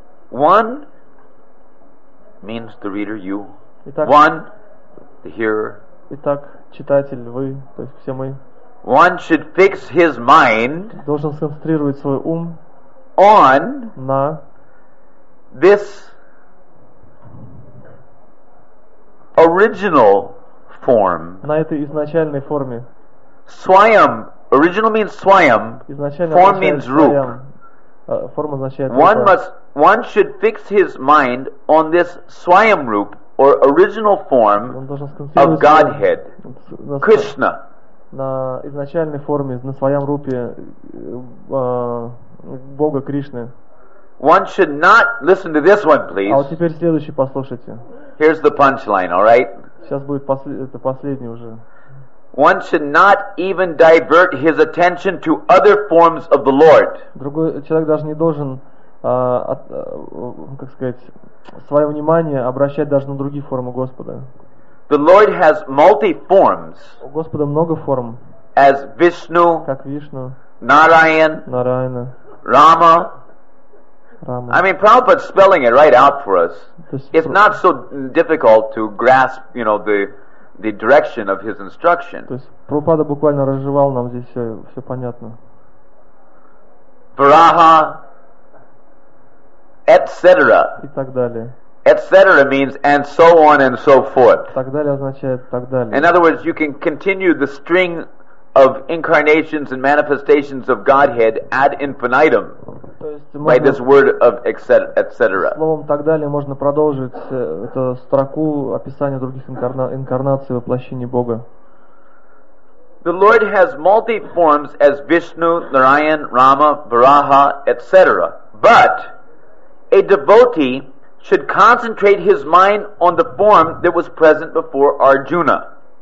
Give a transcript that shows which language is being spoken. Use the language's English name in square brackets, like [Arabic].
[English] One means the reader, you. [Russian] Итак, [English] one, the hearer. [Russian] Итак, читатель, вы, то есть все мы. [English] One should fix his mind [Russian] должен сконцентрировать свой ум [English] on [Russian] на [English] this original form. [Russian] На этой изначальной форме. [English] Swayam. Original means swayam. [Russian] Изначально [English] form means rup. [Russian] Форма означает [English] one rupa. Must one should fix his mind on this swayam rup or original form of Godhead, Krishna. [Russian] На изначальной форме, на своем рупе Бога Кришны. [English] One should not listen to this one, please. [Russian] А вот теперь следующий послушайте. [English] Here's the punchline, all right? [Russian] Сейчас будет это последний уже. [English] One should not even divert his attention to other forms of the Lord. [Russian] Другой человек даже не должен, как сказать, свое внимание обращать даже на другие формы Господа. [English] The Lord has multi forms. [Russian] У Господа много форм. [English] As Vishnu, [Russian] как Вишну, [English] Narayan, [Russian] Нараяна, [English] Rama. I mean, Prabhupada's spelling it right out for us. It's not so difficult to grasp, you know, the direction of his instruction. [Russian] То есть Прабхупада буквально разжевал нам здесь все понятно. [English] Varaha, etc. [Russian] И так далее. [English] Etc. means and so on and so forth. In other words, you can continue the string of incarnations and manifestations of Godhead ad infinitum by this word of etc. [Russian] Словом так далее можно продолжить эту строку описания других инкарнаций воплощения Бога. [English] The Lord has multi forms as Vishnu, Narayan, Rama, Varaha, etc. But a devotee should concentrate his mind on the form that was present before Arjuna.